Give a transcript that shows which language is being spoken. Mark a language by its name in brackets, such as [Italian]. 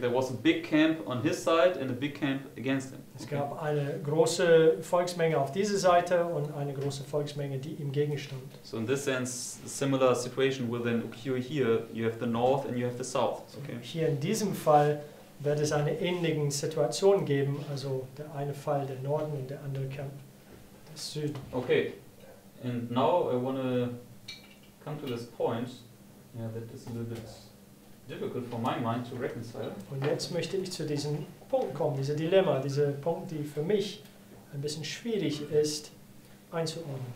[English] There was a big camp on his side and a big camp against him. [German] Es gab eine große Volksmenge auf dieser Seite und eine große Volksmenge, die ihm gegenstand. [English] So in this sense, a similar situation within Ukiyo here. You have the north and you have the south. Okay. [German] Hier in diesem Fall wird es eine ähnliche Situation geben. Also der eine Fall der Norden und der andere Camp des Süden. Okay. [English] And now I want to come to this point, yeah, that is a little bit difficult for my mind to reconcile. [German] Und jetzt möchte ich zu diesem Punkt kommen, dieser Dilemma, dieser Punkt, die für mich ein bisschen schwierig ist, einzuordnen.